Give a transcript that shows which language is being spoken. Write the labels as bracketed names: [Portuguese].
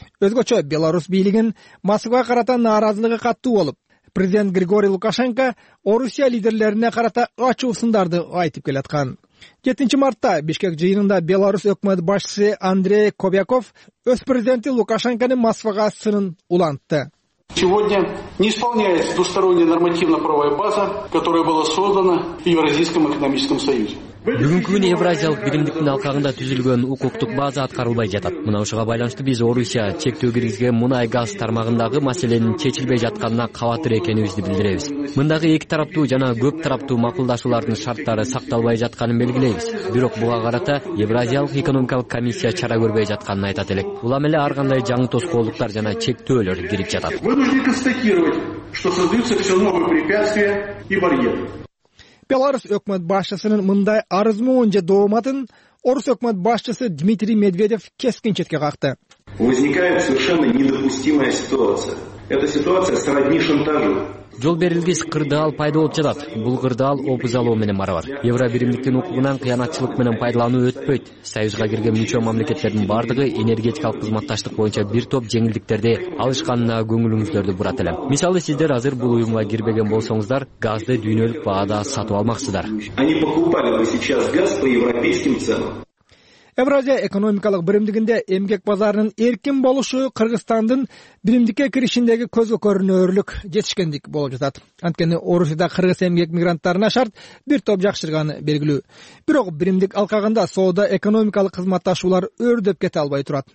[Kyrgyz] Өзгөчө Беларусь бийлигинин Москвага карата нааразылыгы каттуу болуп, президент Григорий Лукашенко Орусия лидерлерине карата ачуу сындарды айтып келаткан. 7 мартта Бишкек жыйынында Беларусь өкмөт башчысы Андрей Кобяков өз президенти Лукашенконун Москвага сынын улантты. [Russian] Сегодня не исполняется двусторонняя нормативно-правовая база, которая была создана в Евразийском экономическом союзе. [Kyrgyz] Бүгүнкү күнү Евразиялык биримдиктин алкагында түзүлгөн укуктук база аткарылбай жатат. Мына ушуга байланыштуу биз Орусия чектөө киргизген мунай газ тармагындагы маселенин чечилбей жатканына кабатыр экенибизди билдиребиз. Мындагы эки тараптуу жана көп тараптуу макулдашуулардын шарттары сакталбай жатканын белгилейбиз. Бирок буга карата Евразиялык экономикалык комиссия чара көрбөй жатканын айтат элек. Улам эле ар кандай жаңы тоскоолдуктар жана чектөөлөр кирип жатат. [Russian] Вынуждены констатировать, что создаются все новые препятствия и барьеры. [Kyrgyz] Беларусь өкмөт башчысынын мындай арызмоон же дооматын Орус өкмөт башчысы Дмитрий Медведев кескин четке какты. [Russian] Возникает совершенно недопустимая ситуация. Эта ситуация сродни шантажу. [Kyrgyz] Жол берилгис кырдаал пайда болуп жатат. Бул кырдаал опузалоо менен барабар. Евро биримдиктин укугунан кыянатчылык менен пайдалануу өтпөйт. Союзга кирген мүчө мамлекеттердин бардыгы энергетикалык кызматташтык боюнча бир топ жеңилдиктерди алышканына көңүлүңүздөрдү бурат элем. Мисалы, сиздер азыр бул уюмга кирбеген болсоңуздар, газды дүйнөлүк баада сатып алмаксыздар. [Russian] Они покупали бы сейчас газ по европейским ценам. [Kyrgyz] Евразия экономикалык биримдигинде эмгек базарынын эркин болушу Кыргызстандын биримдикке киришиндеги көзгө көрүнөрлүк жетишкендик болуп жатат. Анткени Орусияда кыргыз эмгек мигранттарына шарт бир топ жакшырганы белгилүү. Бирок биримдик алкагында соода экономикалык кызматташуулар өрдөп кете албай турат.